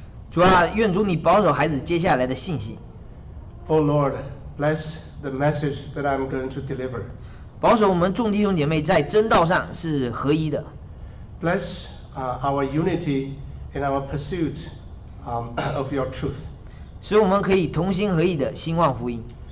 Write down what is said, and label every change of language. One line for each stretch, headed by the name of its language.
Chinese: 主啊，愿主你保守孩子接下来的信息。
English: Oh Lord, bless the message that I'm going to deliver.
Chinese: 保守我们众弟兄姐妹在真道上是合一的。
English: Bless our unity in our pursuit of your truth.
Chinese: 使我们可以同心合意的兴旺福音。